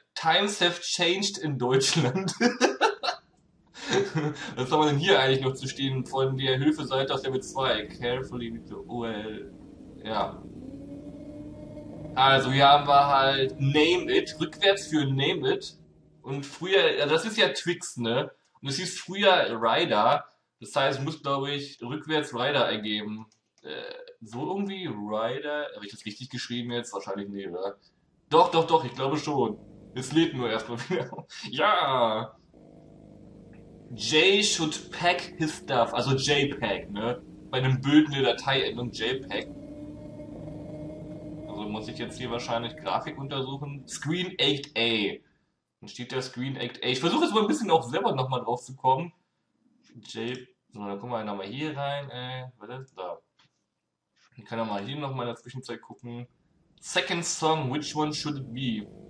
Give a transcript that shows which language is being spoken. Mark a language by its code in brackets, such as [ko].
[en] Times have changed in Deutschland. [de] Was soll man denn hier eigentlich noch zu stehen? Von der Hilfeseite aus Level 2. [en] Carefully with the OL. [de] Ja. Also, hier haben wir halt Name It, rückwärts für Name It. Und früher, das ist ja Twix, ne? Und es hieß früher Ryder. Das heißt, es muss, glaube ich, rückwärts Ryder ergeben. So irgendwie Ryder. Habe ich das richtig geschrieben jetzt? Wahrscheinlich nicht, oder? Doch, doch, doch, ich glaube schon. Es lädt nur erstmal wieder. Ja! [en] Jay should pack his stuff. [de] Also JPEG, ne? Bei einem Bild eine Dateiendung JPEG. Also muss ich jetzt hier wahrscheinlich Grafik untersuchen. Screen 8A. Dann steht da Screen 8A. Ich versuche jetzt mal ein bisschen auch selber nochmal drauf zu kommen. J. So, dann gucken wir nochmal hier rein, ey. Was ist da? Ich kann nochmal hier nochmal in der Zwischenzeit gucken. [en] Second song, which one should it be?